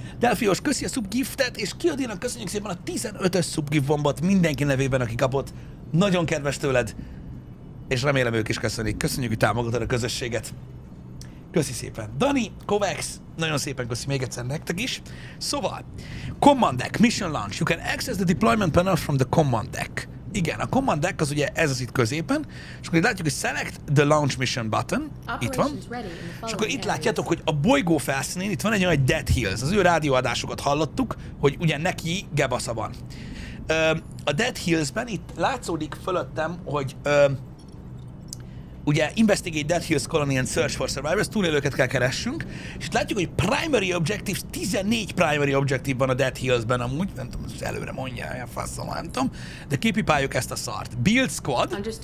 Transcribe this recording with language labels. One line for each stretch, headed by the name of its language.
Hungarian: Delfios, köszi a subgiftet, és Kiadinak köszönjük szépen a 15-ös subgiftbombot mindenki nevében, aki kapott. Nagyon kedves tőled, és remélem ők is köszönik. Köszönjük, hogy támogatod a közösséget. Köszi szépen. Dani, Kovex, nagyon szépen köszi még egyszer nektek is. Szóval, Command Deck, Mission Launch.
English: You can access the deployment panel from the Command Deck.
Hungarian: Igen, a Command Deck az ugye ez az itt középen, és akkor itt látjuk, hogy
English: Select the Launch Mission button,
Hungarian: itt van, és akkor itt látjátok, hogy a bolygó felszínén itt van egy olyan Dead Hills, az ő rádióadásokat hallottuk, hogy ugye neki gebasza van. A Dead Hills-ben itt látszódik fölöttem, hogy ugye
English: Investigate Dead Hills Colony and Search for Survivors,
Hungarian: túlélőket kell keressünk, és itt látjuk, hogy Primary Objectives, 14 Primary Objective van a Dead Hills-ben amúgy, nem tudom, hogy előre mondja, a faszom, nem tudom, de kipipáljuk ezt a szart. Build Squad.